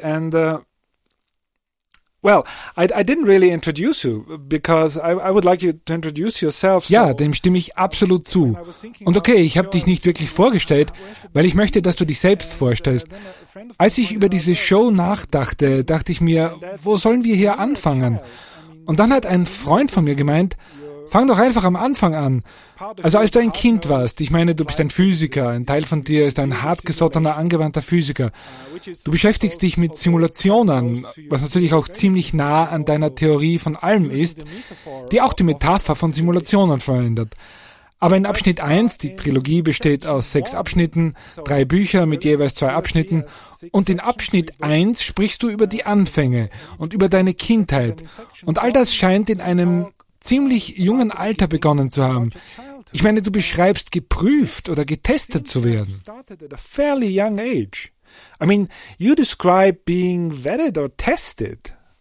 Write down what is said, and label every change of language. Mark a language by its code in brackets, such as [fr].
[en] And I didn't really introduce you because I would like you to introduce yourself. [de] Ja, dem stimme ich absolut zu. Und okay, ich habe dich nicht wirklich vorgestellt, weil ich möchte, dass du dich selbst vorstellst. Als ich über diese Show nachdachte, dachte ich mir, wo sollen wir hier anfangen? Und dann hat ein Freund von mir gemeint, fang doch einfach am Anfang an. Also als du ein Kind warst, ich meine, du bist ein Physiker, ein Teil von dir ist ein hartgesottener, angewandter Physiker. Du beschäftigst dich mit Simulationen, was natürlich auch ziemlich nah an deiner Theorie von allem ist, die auch die Metapher von Simulationen verändert. Aber in Abschnitt 1, die Trilogie besteht aus 6 Abschnitten, 3 Bücher mit jeweils 2 Abschnitten, und in Abschnitt 1 sprichst du über die Anfänge und über deine Kindheit. Und all das scheint in einem ziemlich jungen Alter begonnen zu haben. Ich meine, du beschreibst geprüft oder getestet zu werden. [en] Fairly young age. I mean, you describe being vetted or tested.